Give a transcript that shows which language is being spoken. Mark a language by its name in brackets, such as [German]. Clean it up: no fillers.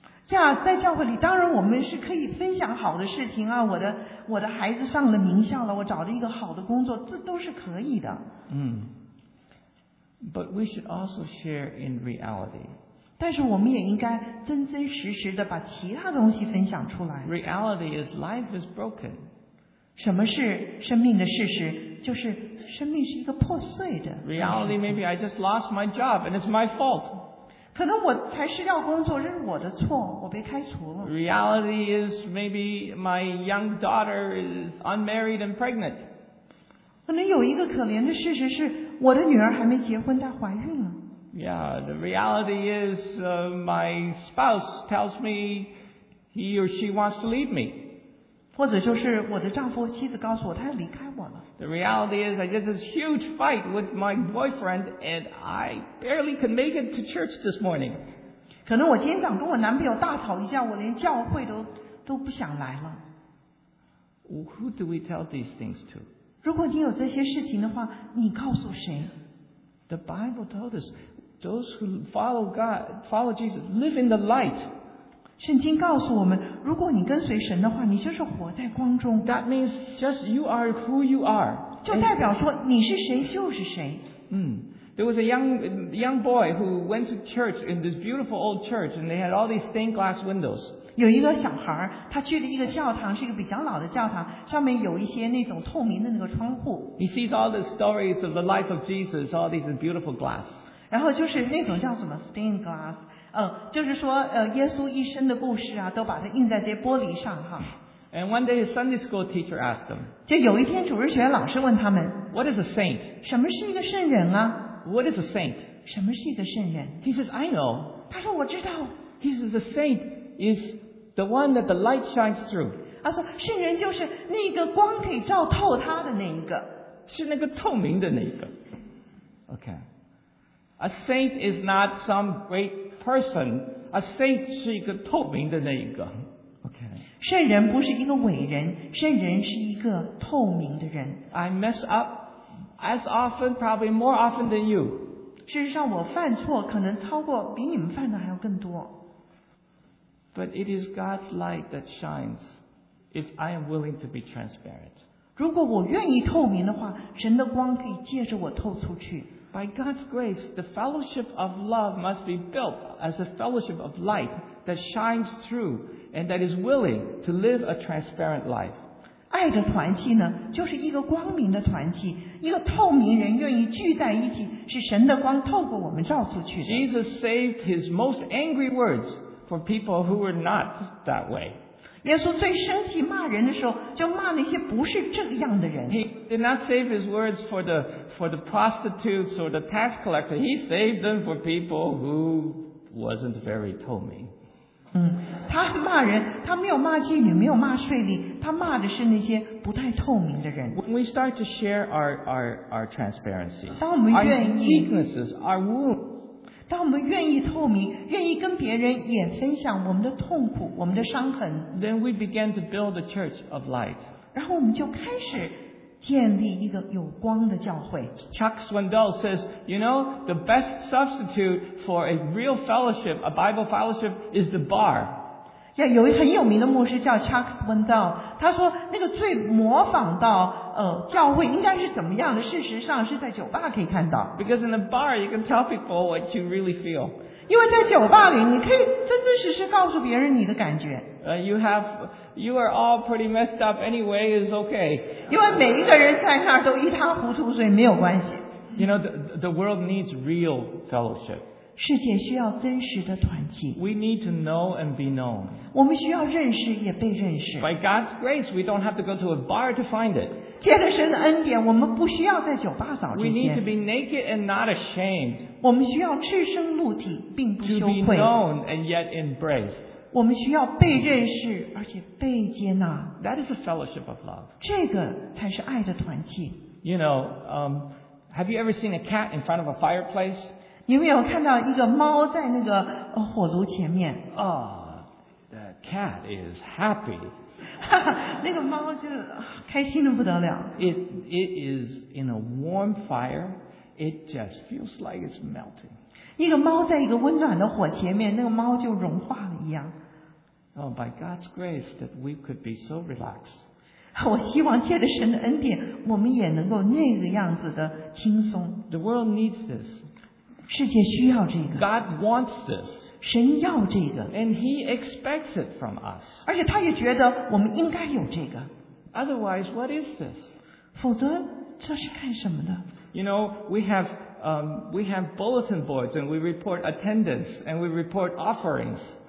[Chinese] Yeah, 在教会里，当然我们是可以分享好的事情啊。我的孩子上了名校了，我找了一个好的工作，这都是可以的。 [English] But we should also share in reality. [Chinese] 但是我们也应该真真实实的把其他东西分享出来。 [English] Reality is life is broken. [Chinese] 什么是生命的事实？就是生命是一个破碎的。 [English] Reality, maybe I just lost my job and it's my fault. [Chinese] 可能我才失掉工作，这是我的错，我被开除了。 [English] Reality is maybe my young daughter is unmarried and pregnant. [Chinese] 可能有一个可怜的事实是我的女儿还没结婚，她怀孕了。 [English] Yeah, the reality is my spouse tells me he or she wants to leave me. [Chinese] 或者就是我的丈夫妻子告诉我他要离开我了。 [English] The reality is I did this huge fight with my boyfriend and I barely could make it to church this morning. [Chinese] 可能我今天早上跟我男朋友大吵一架，我连教会都不想来了。 [English] Who do we tell these things to? [Chinese] 如果你有这些事情的话，你告诉谁？ [English] The Bible told us those who follow God, follow Jesus, live in the light. [Chinese] 圣经告诉我们，如果你跟随神的话，你就是活在光中。 [English] That means just you are who you are. [Chinese] 就代表说你是谁就是谁。嗯。 [English] There was a young boy who went to church in this beautiful old church, and they had all these stained glass windows. [Chinese] 有一个小孩，他去了一个教堂，是一个比较老的教堂，上面有一些那种透明的那个窗户。 [English] He sees all the stories of the life of Jesus, all these beautiful glass. [Chinese] 然后就是那种叫什么 stained glass， 就是说耶稣一生的故事啊，都把它印在这玻璃上哈。 [English] And one day, his Sunday school teacher asked him. [Chinese] 就有一天，主日学老师问他们 [English] ，What is a saint？ [Chinese] 什么是一个圣人啊？ [English] What is a saint? [Chinese] 什么是一个圣人? [English] He says, I know. [Chinese] 他说我知道。 [English] He says, a saint is the one that the light shines through. [Chinese] 他说圣人就是那个光可以照透他的那一个。是那个透明的那一个。Okay. [English] A saint is not some great person. A saint [Chinese] 是一个透明的那一个。 [English] Okay. [Chinese] 圣人不是一个伟人，圣人是一个透明的人。 [English] I mess up. As often, probably more often than you. [Chinese] 事实上，我犯错可能超过比你们犯的还要更多。 [English] But it is God's light that shines if I am willing to be transparent. [Chinese] 如果我愿意透明的话，神的光可以借着我透出去。 [English] By God's grace, the fellowship of love must be built as a fellowship of light that shines through and that is willing to live a transparent life. [Chinese] 爱的团契呢，就是一个光明的团契，一个透明人愿意聚在一起，是神的光透过我们照出去的。 [English] Jesus saved his most angry words for people who were not that way. [Chinese] 耶稣最生气骂人的时候，就骂那些不是这样的人。 [English] He did not save his words for the prostitutes or the tax collector. He saved them for people who wasn't very 透明。 [Chinese] 嗯，他骂人，他没有骂妓女，没有骂税吏，他骂的是那些不太透明的人。 [English] When we start to share our transparency, [Chinese] 当我们愿意 [English] our weaknesses, our wounds, [Chinese] 当我们愿意透明，愿意跟别人也分享我们的痛苦，我们的伤痕， [English] then we begin to build a church of light. [Chinese] 然后我们就开始建立一个有光的教会。 [English] Chuck Swindoll says, you know, the best substitute for a real fellowship, a Bible fellowship, is the bar. [Chinese] Yeah, 有一个很有名的牧师叫 Chuck Swindoll， 他说那个最模仿到教会应该是怎么样的，事实上是在酒吧可以看到。 [English] Because in the bar, you can tell people what you really feel. [Chinese] 因为在酒吧里，你可以真真实实告诉别人你的感觉。 [English] You are all pretty messed up anyway, it's okay. [Chinese] 因为每一个人在那儿都一塌糊涂，所以没有关系。 [English] You know, the world needs real fellowship. [Chinese] 世界需要真实的团契。 [English] We need to know and be known. [Chinese] 我们需要认识也被认识。 [English] By God's grace, we don't have to go to a bar to find it. [Chinese] 借着神的恩典，我们不需要在酒吧找这些。 [English] We need to be naked and not ashamed. [Chinese] 我们需要赤身露体，并不羞愧。 [English] To be known and yet embraced. [Chinese] 我们需要被认识，而且被接纳。 [English] That is a fellowship of love. [Chinese] 这个才是爱的团契。 [English] You know, have you ever seen a cat in front of a fireplace? [Chinese] 你没有看到一个猫在那个火炉前面 [English] ？Oh, the cat is happy. [Chinese] 那个猫就开心的不得了。 [English] It is in a warm fire. It just feels like it's melting. [Chinese] 一个猫在一个温暖的火前面，那个猫就融化了一样。 [English] Oh, by God's grace, that we could be so relaxed. [Chinese] 我希望借着神的恩典，我们也能够那个样子的轻松。 [English] The world needs this. [Chinese] 世界需要这个。 [English] God wants this. [Chinese] 神要这个。 [English] And He expects it from us. [Chinese] 而且他也觉得我们应该有这个。 [English] Otherwise, what is this? [Chinese] 否则这是干什么的？ [English] You know, we have bulletin boards and we report attendance and we report offerings.